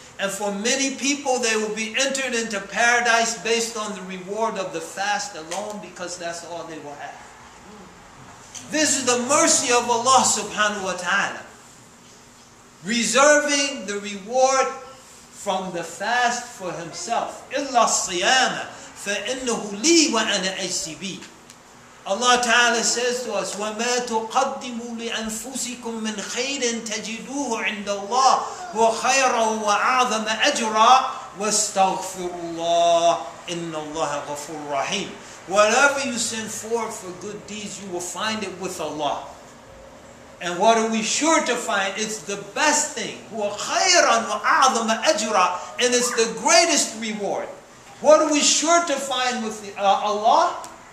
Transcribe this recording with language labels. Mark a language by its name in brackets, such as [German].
[English] And for many people, they will be entered into paradise based on the reward of the fast alone, because that's all they will have. This is the mercy of Allah subhanahu wa ta'ala, reserving the reward from the fast for Himself. [Arabic] إِلَّا الصِّيَامَ فَإِنَّهُ لِي وَأَنَا أَجْسِبِي. [English] Allah Ta'ala says to us, [Arabic] وَمَا تُقَدِّمُوا لِأَنفُسِكُم مِّنْ خَيْرٍ تَجِدُوهُ عِنْدَ اللَّهِ وَخَيْرًا وَأَعْظَمَ أَجْرًا وَاسْتَغْفِرُوا اللَّهَ إِنَّ اللَّهَ غَفُورٌ رَحِيمٌ. [English] Whatever you send forth for good deeds, you will find it with Allah. And what are we sure to find? It's the best thing. [Arabic] وَخَيْرًا وَأَعْظَمَ أَجْرًا. [English] And it's the greatest reward. What are we sure to find with Allah?